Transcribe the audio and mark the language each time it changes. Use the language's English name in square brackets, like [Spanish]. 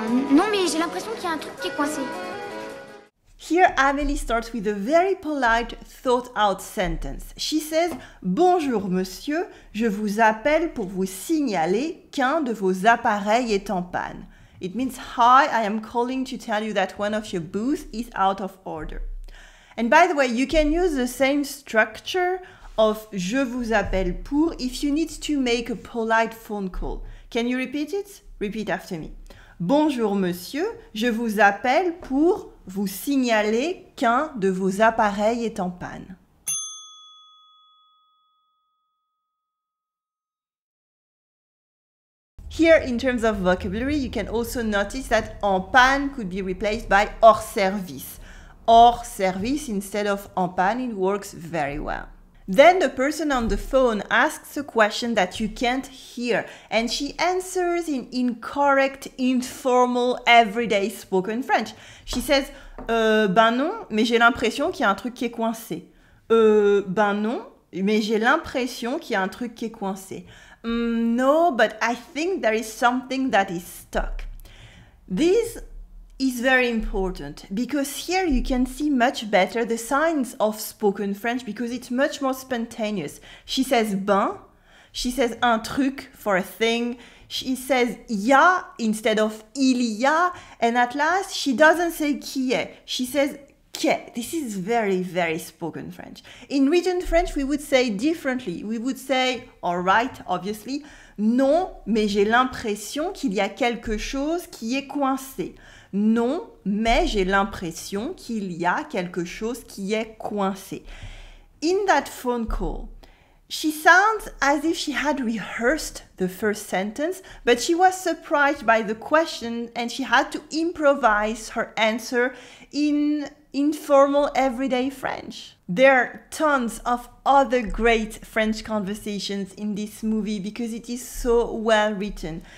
[French] Non mais j'ai l'impression qu'il y a un truc qui est coincé. [English] Here Amélie starts with a very polite, thought-out sentence. [French] She says, Bonjour monsieur, je vous appelle pour vous signaler qu'un de vos appareils est en panne. [English] It means, Hi, I am calling to tell you that one of your booths is out of order. And by the way, you can use the same structure of Je vous appelle pour if you need to make a polite phone call. Can you repeat it? Repeat after me. [French] Bonjour monsieur, je vous appelle pour vous signaler qu'un de vos appareils est en panne. [English] Here, in terms of vocabulary, you can also notice that en panne could be replaced by hors service. Hors service instead of en panne, it works very well. Then the person on the phone asks a question that you can't hear, and she answers in incorrect, informal, everyday spoken French. [French] She says, ben non, mais j'ai l'impression qu'il y a un truc qui est coincé. Ben non, mais j'ai l'impression qu'il y a un truc qui est coincé. [English] No, but I think there is something that is stuck. This is very important because here you can see much better the signs of spoken French because it's much more spontaneous. She says ben, she says un truc for a thing, she says ya instead of il y a, and at last she doesn't say qui est, she says que. This is very, very spoken French. In written French, we would say differently. [French] We would say, all right, obviously, non, mais j'ai l'impression qu'il y a quelque chose qui est coincé. Non, mais j'ai l'impression qu'il y a quelque chose qui est coincé. [English] In that phone call, she sounds as if she had rehearsed the first sentence, but she was surprised by the question and she had to improvise her answer in informal everyday French. There are tons of other great French conversations in this movie because it is so well written.